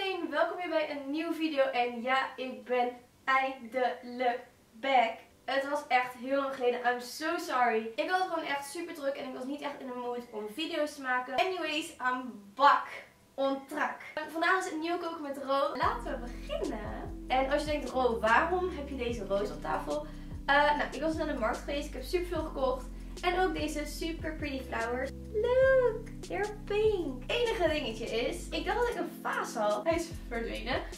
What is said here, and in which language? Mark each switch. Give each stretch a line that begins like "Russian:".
Dutch: welkom weer bij een nieuwe video. En ja, ik ben eindelijk back. Het was echt heel lang geleden.
English: I'm so sorry.
Dutch: Ik was gewoon echt super druk en ik was niet echt in de mood om video's te maken.
English: Anyways, I'm back on track.
Dutch: Vandaag is het nieuw koken met Ro. Laten we beginnen. En als je denkt, Ro, waarom heb je deze roos op tafel? Ik was naar de markt geweest. Ik heb super veel gekocht. En ook deze super
English: pretty flowers. Look, they're pink.
Dutch: Het enige dingetje is, ik dacht dat ik een vaas had. Hij is verdwenen.